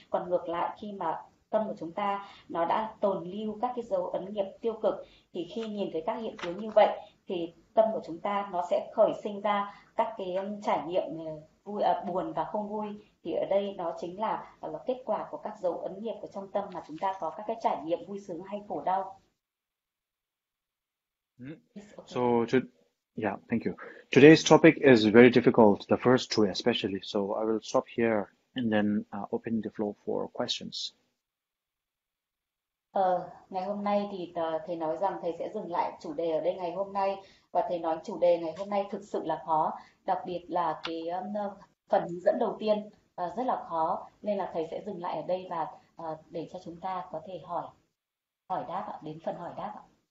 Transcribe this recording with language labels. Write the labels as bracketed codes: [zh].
[vi] Còn ngược lại, khi mà tâm của chúng ta nó đã tồn lưu các cái dấu ấn nghiệp tiêu cực, thì khi nhìn thấy các hiện tướng như vậy thì tâm của chúng ta nó sẽ khởi sinh ra các cái trải nghiệm vui, buồn và không vui. Thì ở đây nó chính là kết quả của các dấu ấn nghiệp của trong tâm mà chúng ta có các cái trải nghiệm vui sướng hay khổ đau. [en] Yeah, thank you. Today's topic is very difficult, the first two especially. So I will stop here and then open the floor for questions. [vi] Ngày hôm nay thì thầy nói rằng thầy sẽ dừng lại chủ đề ở đây ngày hôm nay, và thầy nói chủ đề ngày hôm nay thực sự là khó, đặc biệt là cái phần dẫn đầu tiên rất là khó, nên là thầy sẽ dừng lại ở đây và để cho chúng ta có thể hỏi đáp ạ, đến phần hỏi đáp ạ.